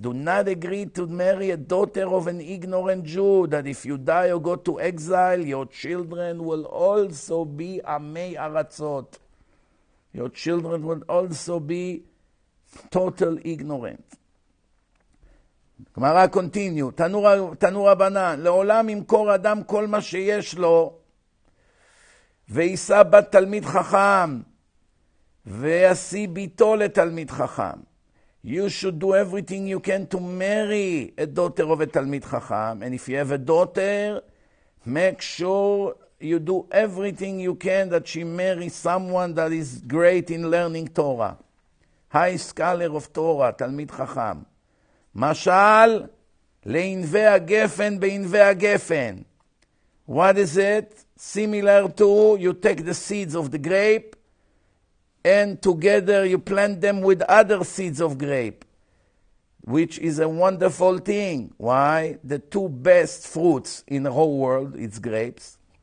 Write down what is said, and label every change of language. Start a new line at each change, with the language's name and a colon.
English: Do not agree to marry a daughter of an ignorant Jew, that if you die or go to exile, your children will also be amei aratzot. Your children will also be total ignorant. Gemara continue. Tanu rabanan.
Hebrew: Le'olam imkor adam kol ma sheyesh lo, ויישא בת תלמיד חכם, וישיא ביתו לתלמיד חכם.
English: You should do everything you can to marry a daughter of a תלמיד חכם. And if you have a daughter, make sure you do everything you can that she marry someone that is great in learning Torah. High scholar of Torah, תלמיד חכם.
Hebrew: משל, לענבי הגפן בענבי הגפן.
English: What is it? Similar to, you take the seeds of the grape and together you plant them with other seeds of grape, which is a wonderful thing. Why? The two best fruits in the whole world, it's grapes.